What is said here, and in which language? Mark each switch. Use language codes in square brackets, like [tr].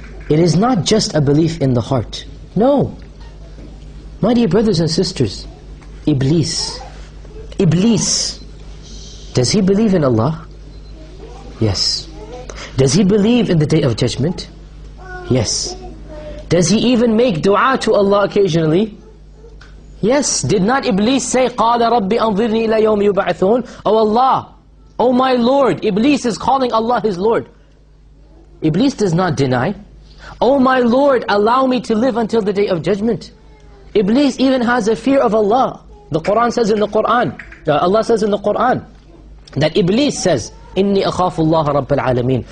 [en] It is not just a belief in the heart. No. My dear brothers and sisters, Iblis, does he believe in Allah? Yes. Does he believe in the Day of Judgment? Yes. Does he even make dua to Allah occasionally? Yes. Did not Iblis say, [ar] قَالَ رَبِّ أَنظِرْنِي إِلَى يَوْمِ يُبَعْثُونَ? [en] Oh Allah, oh my Lord, Iblis is calling Allah his Lord. Iblis does not deny. Oh my Lord, allow me to live until the Day of Judgment. Iblis even has a fear of Allah. The Quran says in the Quran, Allah says in the Quran, that Iblis says, [ar] إِنِّي أَخَافُ اللَّهَ رَبَّ الْعَالَمِينَ.